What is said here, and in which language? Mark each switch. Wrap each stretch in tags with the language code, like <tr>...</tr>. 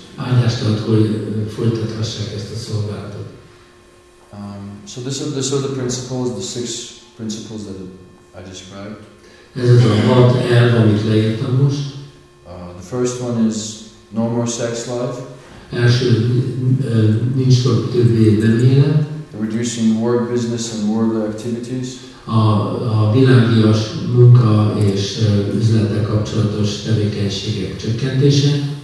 <hu>Áldástad, hogy folytathassák ezt a szolgálatot.</hu> <en>So these are the principles, the six principles that I described.</en> <hu>Ez az a hat elv, amit leírtam most.</hu> <en>The first one is no more sex life.</en> <hu>Első, nincs többé nem élet.</hu> <en>Reducing work, business and worldly activities.</en> <hu>A világias munka és üzlettel kapcsolatos tevékenységek csökkentése.</hu>